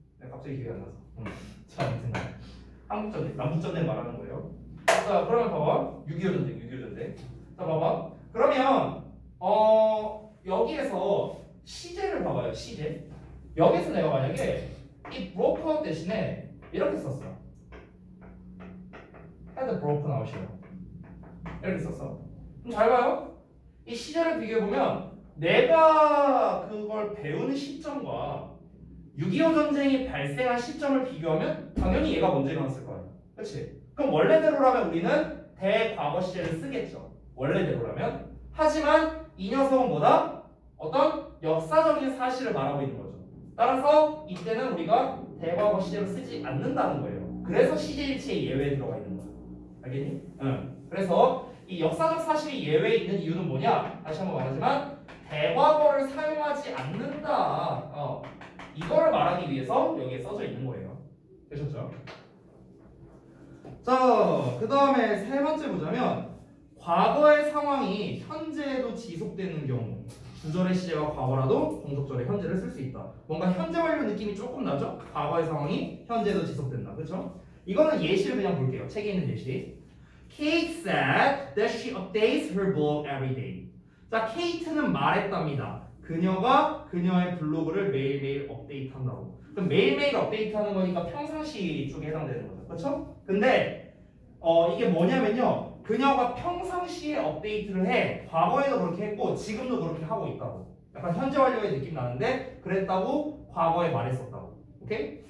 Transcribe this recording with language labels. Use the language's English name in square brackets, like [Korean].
[Korean] 네, 갑자기 기억이 안 나서. 한국전쟁, 남북전쟁 말하는 거예요. 자, 그러면 봐봐. 6.25전쟁. 자, 봐봐. 그러면 여기에서 시제를 봐봐요. 시제. 여기서 내가 만약에 이 broke out 대신에 이렇게 썼어. [English] had broken out 이렇게 썼어. [Korean] 그럼 잘 봐요. 이 시제를 비교해보면 내가 그걸 배우는 시점과 6.25전쟁이 발생한 시점을 비교하면 당연히 얘가 먼저 일어났을 거예요. 그치? 그럼 원래대로라면 우리는 대과거 시제를 쓰겠죠. 원래대로라면. 하지만 이 녀석은 뭐다? 어떤 역사적인 사실을 말하고 있는 거죠. 따라서 이때는 우리가 대과거 시제를 쓰지 않는다는 거예요. 그래서 시제일치의 예외에 들어가 있는 거예요. 알겠니? 응. 그래서 이 역사적 사실이 예외에 있는 이유는 뭐냐? 다시 한번 말하지만 대과거를 사용하지 않는다. 이걸 말하기 위해서 여기에 써져 있는 거예요. 되셨죠? 자, 그 다음에 세 번째 보자면 과거의 상황이 현재에도 지속되는 경우 주절의 시제와 과거라도 종속절의 현재를 쓸 수 있다. 뭔가 현재 완료 느낌이 조금 나죠? 과거의 상황이 현재에도 지속된다. 그렇죠? 이거는 예시를 그냥 볼게요. 책에 있는 예시. [English] Kate said that she updates her blog every day. [Korean] 자, 케이트는 말했답니다. 그녀가 그녀의 블로그를 매일매일 업데이트한다고. 그럼 매일매일 업데이트하는 거니까 평상시 쪽에 해당되는 거죠. 그렇죠? 근데 이게 뭐냐면요, 그녀가 평상시에 업데이트를 해. 과거에도 그렇게 했고 지금도 그렇게 하고 있다고. 약간 현재 완료의 느낌 나는데 그랬다고 과거에 말했었다고. 오케이?